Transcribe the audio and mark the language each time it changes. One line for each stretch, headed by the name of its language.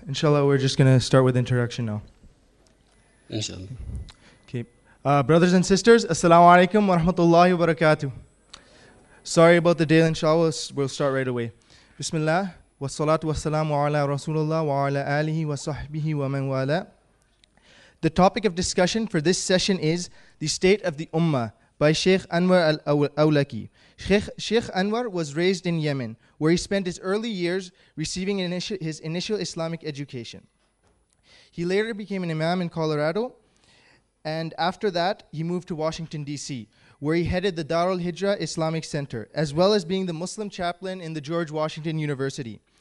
Arabic: إن شاء الله
English: we're just gonna start with introduction now.
Arabic: إن شاء الله.
English: Okay. Brothers and sisters,
Arabic: السلام عليكم ورحمة الله وبركاته.
English: Sorry about the delay, inshallah, we'll start right away.
Arabic: بسم الله والصلاة والسلام على رسول الله وعلى آله وصحبه ومن والاه.
English: The topic of discussion for this session is The State of the Ummah by Sheikh Anwar al-Awlaki. Sheikh Anwar was raised in Yemen, where he spent his early years receiving his initial Islamic education. He later became an imam in Colorado, and after that, he moved to Washington, D.C., where he headed the Darul Hijra Islamic Center, as well as being the Muslim chaplain in the George Washington University.